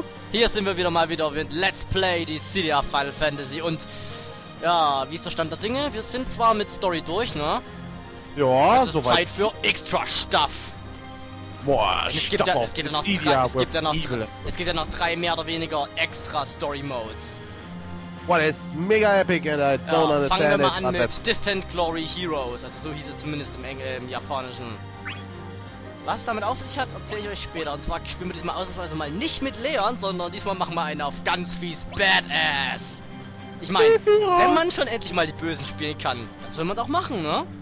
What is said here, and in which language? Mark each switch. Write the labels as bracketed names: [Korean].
[German] Hier sind wir wieder mal wieder mit Let's Play Dissidia Final Fantasy und ja, wie ist der Stand der Dinge? Wir sind zwar mit Story durch, ne? Ja, also soweit. Zeit für extra Stuff. Es gibt ja noch drei mehr oder weniger extra Story Modes. [English] What is mega epic and I don't understand [German] it. Fangen wir mal an mit Distant Glory Heroes, also so hieß es zumindest im Japanischen. Was es damit auf sich hat, erzähle ich euch später. Und zwar spielen wir diesmal ausnahmsweise mal nicht mit Leon, sondern diesmal machen wir einen auf ganz fies Badass. Ich meine, wenn man schon endlich mal die Bösen spielen kann, dann soll man es auch machen, ne?